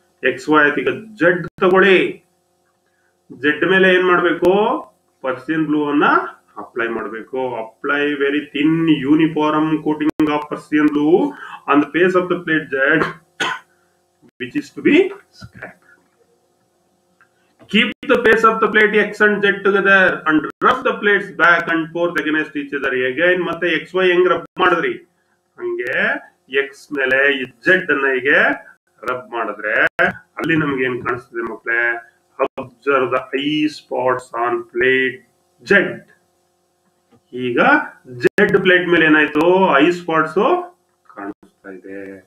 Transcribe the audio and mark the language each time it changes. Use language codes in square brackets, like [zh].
[kn] X Y ಆಯ್ತು, ಈಗ Z ತಗೊಳ್ಳಿ. ಜೆಡ್ ಮೇಲೆ ಏನ್ ಮಾಡ್ಬೇಕು, ಪರ್ಸಿಯನ್ ಬ್ಲೂ ಅನ್ನ ಅಪ್ಲೈ ಮಾಡ್ಬೇಕು. [en] Apply very thin uniform coating of Persian blue on the face of the plate Z which is to be scrap. Keep the face of the plate X and Z together and rub the plates back and forth against each other. [kn] Again, ಮತ್ತೆ X Y ಹೆಂಗ್ rub ಮಾಡಿದ್ರಿ, ಹಂಗೆ X ಮೇಲೆ Z ಅನ್ನ ಹೀಗೆ rub ಮಾಡಿದ್ರೆ ಅಲ್ಲಿ ನಮ್ಗೆ ಏನ್ ಕಾಣಿಸ್ತದೆ ಮಕ್ಕಳೇ, [en] Observe the eye spots on plate Z. [kn] ಈಗ ಜೆಡ್ ಪ್ಲೇಟ್ ಮೇಲೆ ಏನಾಯ್ತು, ಐ ಸ್ಪಾಟ್ಸ್ ಕಾಣಿಸ್ತಾ ಇದೆ.